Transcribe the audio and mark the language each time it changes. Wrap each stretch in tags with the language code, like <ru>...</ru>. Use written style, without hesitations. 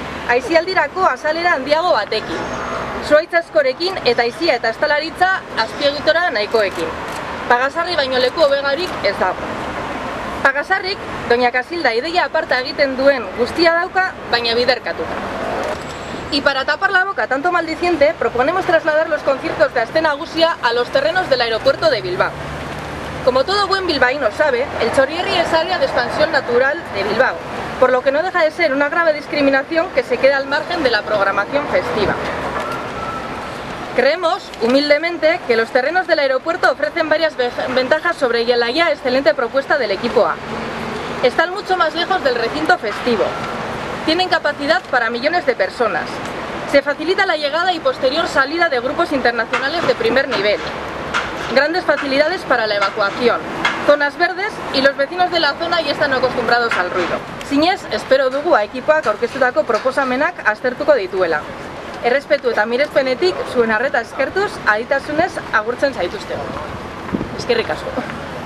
<eu>Aisialdirako azalera handiago batekin. Zuhaitz askorekin eta aisia eta estalaritza azpiegitura nahikoekin. Pagasarri baino leku hobegarik ez dago. Pagasarrik, doña Kasilda ideia aparta egiten duen guztia dauka, baina biderkatuta.</eu> <es>Y para tapar la boca tanto maldiciente, proponemos trasladar los conciertos de aste nagusia a los terrenos del aeropuerto de Bilbao. Como todo buen bilbaíno sabe, el Txorierri es área de expansión natural de Bilbao, por lo que no deja de ser una grave discriminación que se queda al margen de la programación festiva. Creemos, humildemente, que los terrenos del aeropuerto ofrecen varias ventajas sobre la ya excelente propuesta del equipo A. Están mucho más lejos del recinto festivo. Tienen capacidad para millones de personas. Se facilita la llegada y posterior salida de grupos internacionales de primer nivel. Grandes facilidades para la evacuación. Zonas verdes y los vecinos de la zona ya están acostumbrados al ruido.</es> <eu>Zinez, espero dugu a ekipoak aurkeztutako proposamenak aztertuko dituela. Errespetu eta mirespenetik, zuen arreta eskertuz, aditasunez agurtzen zaituztegu. Eskerrik asko.</eu>